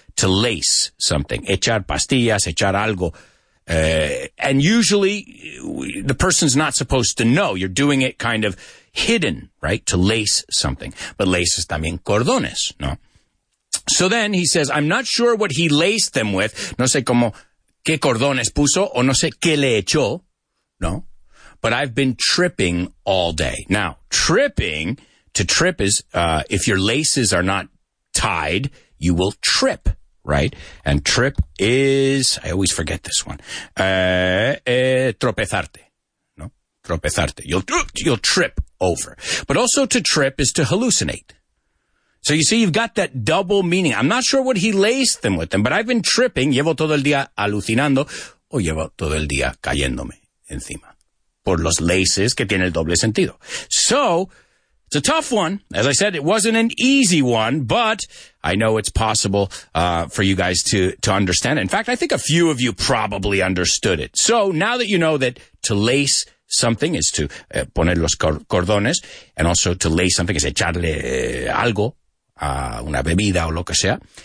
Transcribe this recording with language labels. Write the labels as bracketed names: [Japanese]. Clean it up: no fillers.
[English] To lace something, [Spanish] echar pastillas, echar algo. [English] And usually the person's not supposed to know. You're doing it kind of hidden, right? To lace something. But laces [Spanish] también cordones, ¿no? [English] So then he says, I'm not sure what he laced them with. [Spanish] No sé cómo, qué cordones puso, o no sé qué le echó, ¿no? [English] But I've been tripping all day. Now, tripping, to trip is, if your laces are not tied, you will trip, right? And trip is, I always forget this one, [Spanish] tropezarte, ¿no? Tropezarte. [English] You'll trip over. But also to trip is to hallucinate. So you see, you've got that double meaning. I'm not sure what he laced them with, but I've been tripping. [Spanish] Llevo todo el día alucinando o llevo todo el día cayéndome encima por los laces que tiene el doble sentido. [English] So it's a tough one. As I said, it wasn't an easy one, but I know it's possible for you guys to understand it. In fact, I think a few of you probably understood it. So now that you know that to lace something is to [Spanish] poner los cordones, [English] and also to lace something is [Spanish] echarle algo, una bebida o lo que sea.